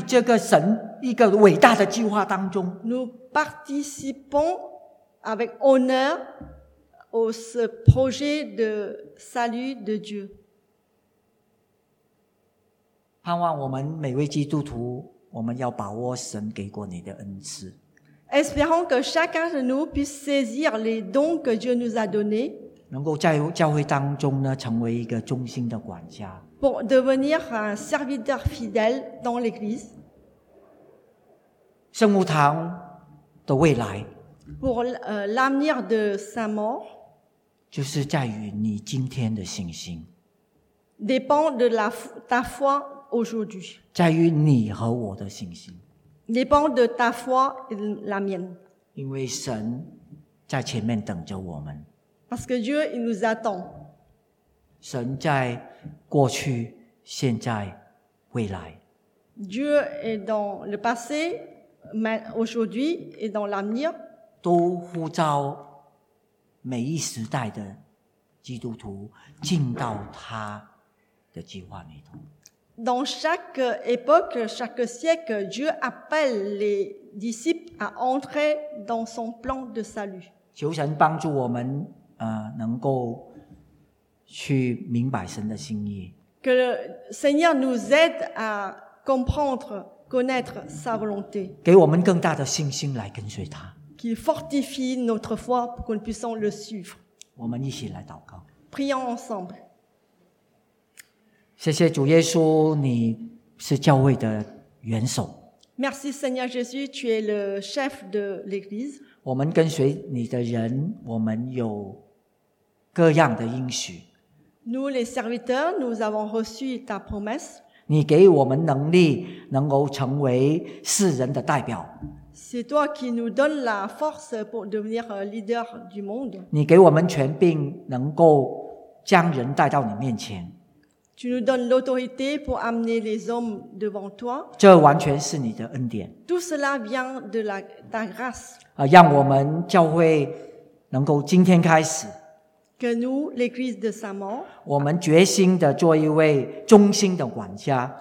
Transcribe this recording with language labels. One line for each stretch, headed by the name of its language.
Chinese: 我们是正在很荣幸地参与这个神一个伟大的计划当中。
French: Nous participons avec honneur au ce projet de salut de Dieu.
Chinese: 盼望我们每位基督徒，我们要把握神给过你的恩赐。
French: Espérons que chacun de nous puisse saisir les dons que Dieu nous a donnés.
Chinese: 能够在教会当中呢，成为一个忠心的管家。
French: Pour devenir un serviteur fidèle dans l'Église.
Chinese: 圣母堂的未来。
French: Pour l'avenir de Saint-Maur.
Chinese: 就是在于你今天的信心。
French: Dépend de ta foi aujourd'hui.
Chinese: 在于你和我的信心。
French: Dépend de ta foi et la mienne.
Chinese: 因为神在前面等着我们。
French: Parce que Dieu, il nous attend.
Chinese: 神在过去, 现在,
French: Dieu est dans le passé, aujourd'hui et dans l'avenir,
Chinese: 都呼召每一时代的基督徒进到他的计划里头。
French: Dans chaque époque, chaque siècle, Dieu appelle les disciples à entrer dans son plan de salut.
Chinese: 求神帮助我们，能够去明白神的心意。
French: Que le Seigneur nous aide à comprendre, connaître sa volonté.
Chinese: 给我们更大的信心来跟随他。
French: Qu'il fortifie notre foi pour qu'on puisse le suivre.
Chinese: 我们一起来祷告。
French: Prions ensemble.
Chinese: 谢谢主耶稣，你是教会的元首。
French: Merci Seigneur Jésus, tu es le chef de l'Église.
Chinese: 我们跟随你的人，我们有各样的应许。
French: Nous les serviteurs, nous avons reçu ta promesse.
Chinese: 你给我们能力，能够成为世人的代表。
French: C'est toi qui nous donne la force pour devenir leader du monde.
Chinese: 你给我们权柄，能够将人带到你面前。
French: Tu nous donnes l'autorité pour amener les hommes devant toi.
Chinese: 这完全是你的恩典。
French: Tout cela vient de ta grâce.
Chinese: 让我们教会能够今天开始。
French: Que nous, l'église de Saint-Maur,
Chinese: 我们决心的做一位忠心的管家。